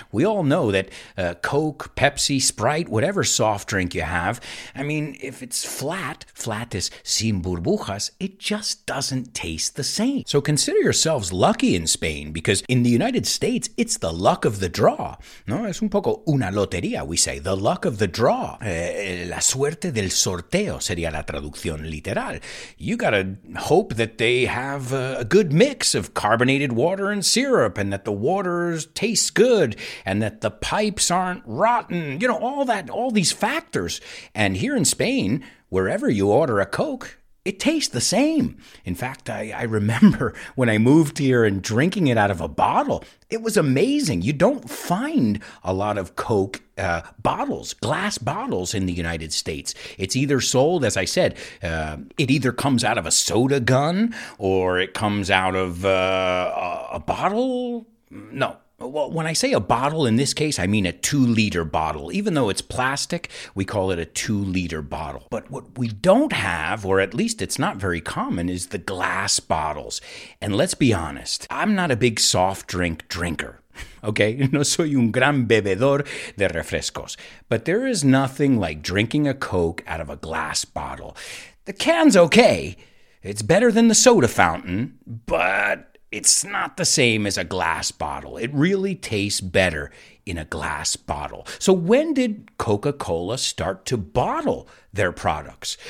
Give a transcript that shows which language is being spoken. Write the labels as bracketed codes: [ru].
[en] We all know that Coke, Pepsi, Sprite, whatever soft drink you have, I mean, if it's flat is [es] sin burbujas, [en] it just doesn't taste the same. So consider yourselves lucky in Spain, because in the United States, it's the luck of the draw. [es] No, es un poco una lotería, [en] we say, the luck of the draw. [es] La suerte del sorteo sería la traducción literal. [en] You gotta hope that they have a good mix of carbonated water and syrup, and that the waters taste good, and that the pipes aren't rotten, you know, all these factors. And here in Spain, wherever you order a Coke, it tastes the same. In fact, I remember when I moved here and drinking it out of a bottle, it was amazing. You don't find a lot of Coke bottles, glass bottles in the United States. It's either sold, as I said, it either comes out of a soda gun or it comes out of a bottle. No. Well, when I say a bottle, in this case, I mean a 2-liter bottle. Even though it's plastic, we call it a 2-liter bottle. But what we don't have, or at least it's not very common, is the glass bottles. And let's be honest, I'm not a big soft drink drinker. [es] Okay, no soy un gran bebedor de refrescos. [en] But there is nothing like drinking a Coke out of a glass bottle. The can's okay. It's better than the soda fountain, but it's not the same as a glass bottle. It really tastes better in a glass bottle. So when did Coca-Cola start to bottle their products?